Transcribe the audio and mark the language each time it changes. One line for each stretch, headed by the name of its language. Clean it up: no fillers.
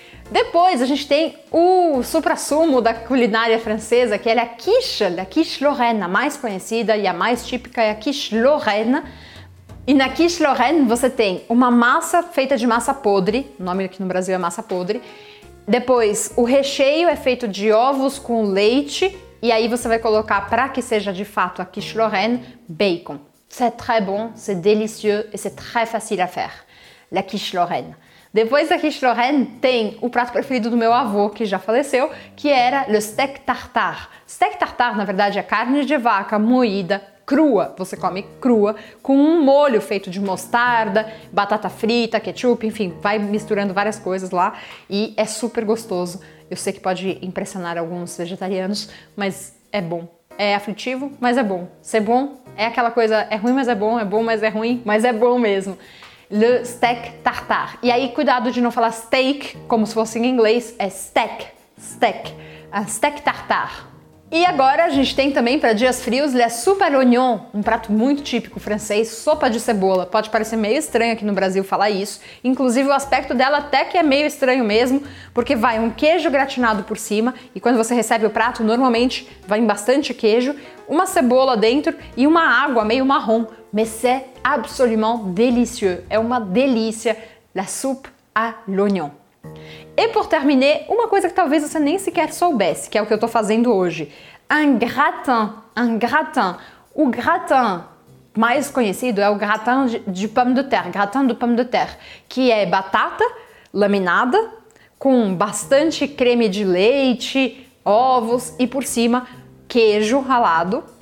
Portuguese: Depois a gente tem o suprassumo da culinária francesa, que é la quiche lorraine, a mais conhecida e a mais típica é a quiche lorraine. E na quiche lorraine você tem uma massa feita de massa podre, o nome aqui no Brasil é massa podre. Depois o recheio é feito de ovos com leite e aí você vai colocar, para que seja de fato a quiche lorraine, bacon.
French: C'est très bon, c'est délicieux et c'est très facile à faire, la quiche lorraine.
Portuguese: Depois da quiche lorraine tem o prato preferido do meu avô, que já faleceu, que era le steak tartare. Steak tartare, na verdade, é carne de vaca moída, crua, você come crua, com um molho feito de mostarda, batata frita, ketchup, enfim, vai misturando várias coisas lá e é super gostoso. Eu sei que pode impressionar alguns vegetarianos, mas é bom é aflitivo, mas é bom. Ser bom é aquela coisa, é ruim, mas é bom, mas é ruim, mas é bom mesmo. Le steak tartare. E aí, cuidado de não falar steak como se fosse em inglês, é steak, steak, steak tartare. E agora a gente tem também para dias frios le soupe à l'oignon, um prato muito típico francês, sopa de cebola. Pode parecer meio estranho aqui no Brasil falar isso, inclusive o aspecto dela até que é meio estranho mesmo, porque vai um queijo gratinado por cima, e quando você recebe o prato, normalmente vai em bastante queijo, uma cebola dentro e uma água meio marrom.
French: Mais c'est absolument délicieux.
Portuguese: É uma delícia, la soupe à l'oignon. E por terminar, uma coisa que talvez você nem sequer soubesse, que é o que eu estou fazendo hoje. Un gratin, un gratin. O gratin mais conhecido é o gratin de pomme de terre, gratin de pomme de terre, que é batata laminada com bastante creme de leite, ovos e por cima queijo ralado.